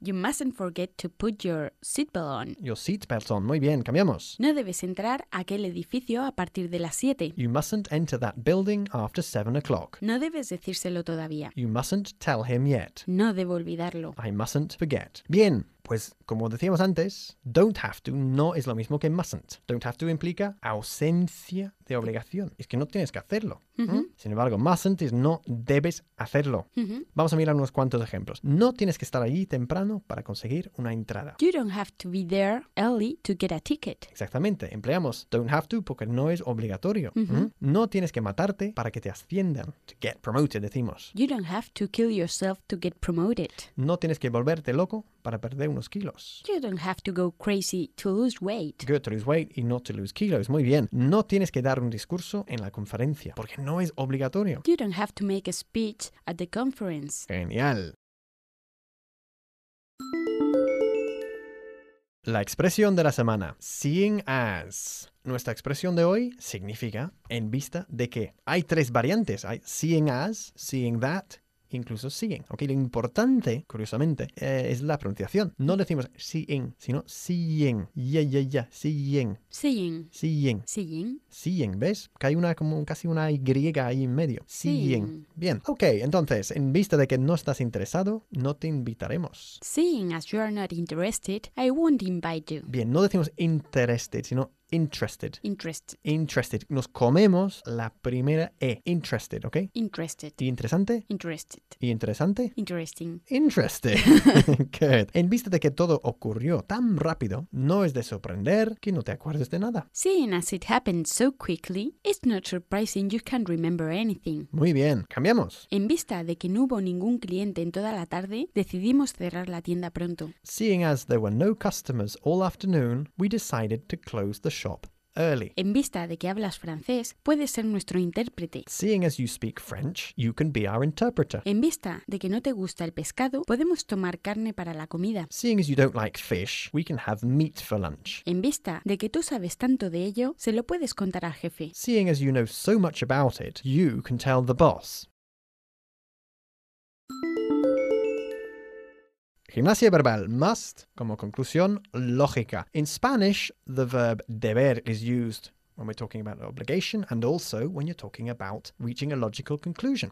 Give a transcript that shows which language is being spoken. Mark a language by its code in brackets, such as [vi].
[en] You mustn't forget to put your seatbelt on. Your seatbelt on. [es] Muy bien, cambiamos. No debes entrar a aquel edificio a partir de las 7. [en] You mustn't enter that building after 7 o'clock. [es] No debes decírselo todavía. [en] You mustn't tell him yet. [es] No debo olvidarlo. [en] I mustn't forget. [es] Bien, Pues, como decíamos antes, don't have to no es lo mismo que mustn't. Don't have to implica ausencia de obligación. Es que no tienes que hacerlo. Uh-huh. Sin embargo, mustn't es no debes hacerlo. Uh-huh. Vamos a mirar unos cuantos ejemplos. No tienes que estar allí temprano para conseguir una entrada. [en] You don't have to be there early to get a ticket. [es] Exactamente. Empleamos don't have to porque no es obligatorio. Uh-huh. No tienes que matarte para que te asciendan. [en] To get promoted, [es] decimos. [en] You don't have to kill yourself to get promoted. [es] No tienes que volverte loco para perder unos kilos. [en] You don't have to go crazy to lose weight. Good to lose weight y not to lose kilos. [es] Muy bien. No tienes que dar un discurso en la conferencia porque no es obligatorio. [en] You don't have to make a speech at the conference. [es] Genial. La expresión de la semana. Seeing as. Nuestra expresión de hoy significa en vista de que. Hay tres variantes. Hay seeing as, seeing that, incluso seeing. Okay, lo importante, curiosamente, es la pronunciación. No decimos seeing, sino seeing. [en] Yeah, yeah, yeah. [es] Seeing. [en] Seeing. Seeing. Seeing. Seeing. [es] ¿Ves? Que hay una, como casi una Y ahí en medio. Seeing. Seeing. Bien. Ok, entonces, en vista de que no estás interesado, no te invitaremos. [en] Seeing as you are not interested, I won't invite you. [es] Bien, no decimos interested, sino interested. [en] Interested. [es] Interested. Nos comemos la primera E. Interested, ¿ok? [en] Interested. [es] ¿Y interesante? [en] Interested. [es] ¿Y interesante? [en] Interesting. Interested. Good. [es] En vista de que todo ocurrió tan rápido, no es de sorprender que no te acuerdes de nada. [en] Seeing as it happened so quickly, it's not surprising you can't remember anything. [es] Muy bien. Cambiamos. En vista de que no hubo ningún cliente en toda la tarde, decidimos cerrar la tienda pronto. [en] Seeing as there were no customers all afternoon, we decided to close the shop early. [es] En vista de que hablas francés, puedes ser nuestro intérprete. [en] Seeing as you speak French, you can be our interpreter. [es] En vista de que no te gusta el pescado, podemos tomar carne para la comida. [en] Seeing as you don't like fish, we can have meat for lunch. [es] En vista de que tú sabes tanto de ello, se lo puedes contar al jefe. [en] Seeing as you know so much about it, you can tell the boss. [es] Gimnasia verbal, must, como conclusión, lógica. [en] In Spanish, the verb deber is used when we're talking about obligation and also when you're talking about reaching a logical conclusion.